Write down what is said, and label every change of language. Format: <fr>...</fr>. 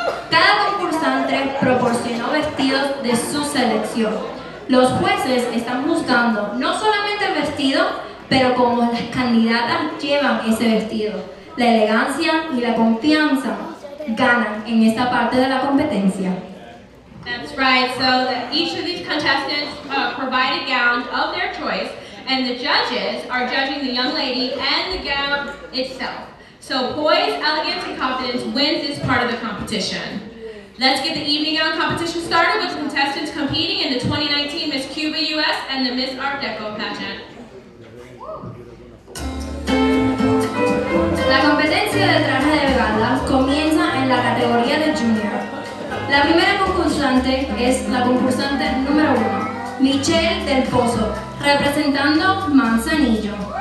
<es>Cada concursante proporcionó vestidos de su selección. Los jueces están juzgando no solamente el vestido, pero cómo las candidatas llevan ese vestido. La elegancia y la confianza ganan en esta parte de la competencia.</es> <en>That's right. So that each of these contestants provided gowns of their choice, and the judges are judging the young lady and the gown itself. So poise, elegance, and confidence wins this part of the competition. Let's get the evening gown competition started with contestants competing in the 2019 Miss Cuba US and the Miss Art Deco pageant.</en> <es>La competencia de traje de gala comienza en la categoría de junior. La primera concursante es la concursante número uno, Michelle del Pozo, representando Manzanillo.</es>